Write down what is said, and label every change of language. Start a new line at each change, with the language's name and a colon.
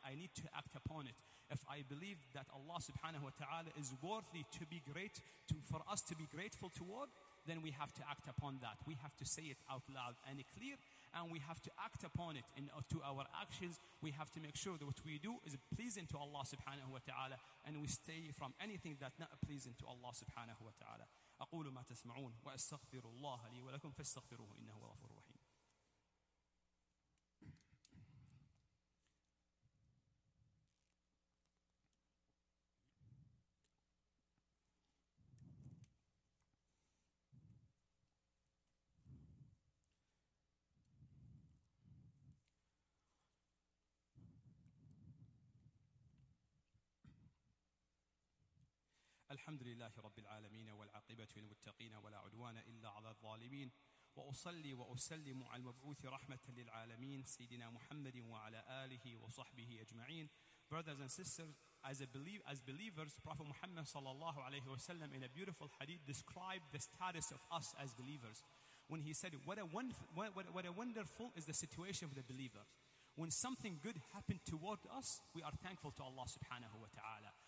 English: I need to act upon it. If I believe that Allah subhanahu wa ta'ala is worthy to be great, for us to be grateful toward, then we have to act upon that. We have to say it out loud and clear, and we have to act upon it to our actions. We have to make sure that what we do is pleasing to Allah subhanahu wa ta'ala, and we stay from anything that's not pleasing to Allah subhanahu wa ta'ala.
Arabic: أقول ما تسمعون وأستغفر الله لي ولكم فاستغفروه إنه هو الغفور الرحيم. الحمد لله رب العالمين والعاقبة للمتقين ولا عدوان إلا على الظالمين وأصلي وأسلم على المبعوث رحمة للعالمين سيدنا محمد وعلى آله وصحبه أجمعين.
English: Brothers and sisters, as believers, Prophet Muhammad sallallahu alayhi wa sallam in a beautiful hadith described the status of us as believers when he said, what a wonderful is the situation of the believer. When something good happened toward us, we are thankful to Allah subhanahu wa ta'ala.